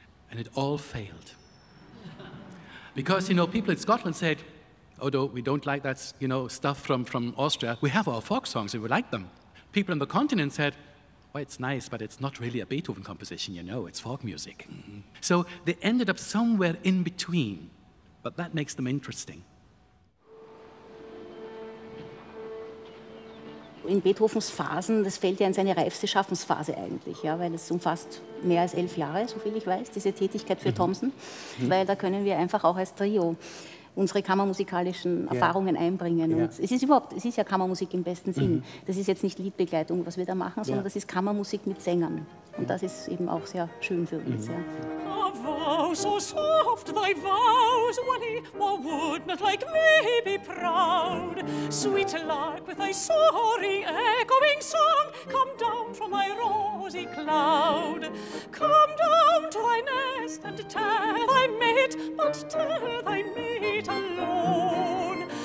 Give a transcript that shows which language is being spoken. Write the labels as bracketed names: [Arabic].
[English] And it all failed. Because, you know, people in Scotland said, although we don't like that, you know, stuff from Austria, we have our folk songs and we like them. People on the continent said, well, it's nice, but it's not really a Beethoven composition, you know, it's folk music. Mm-hmm. So they ended up somewhere in between, but that makes them interesting. [German] In Beethovens Phasen, das fällt ja in seine reifste Schaffensphase eigentlich, ja, weil es umfasst mehr als 11 Jahre, soviel ich weiß, diese Tätigkeit für Thomson, weil da können wir einfach auch als Trio unsere kammermusikalischen Erfahrungen einbringen. Und es ist ja Kammermusik im besten Sinn. Das ist jetzt nicht Liedbegleitung, was wir da machen, sondern das ist Kammermusik mit Sängern. Und das ist eben auch sehr schön für uns. Ja. [English] Vow so soft thy vows, Willie, what would not like me be proud? Sweet lark with thy sorry echoing song, come down from thy rosy cloud. Come down to thy nest and tell thy mate, but tell thy mate alone.